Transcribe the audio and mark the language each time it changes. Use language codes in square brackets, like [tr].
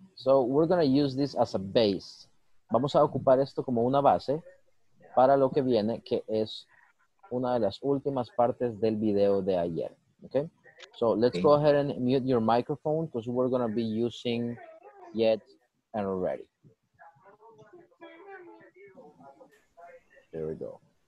[en] So we're going to use this as a base. [es] Vamos a ocupar esto como una base para lo que viene, que es una de las últimas partes del video de ayer. [en] Okay? So let's go ahead and mute your microphone because we're going to be using yet and already. There we go.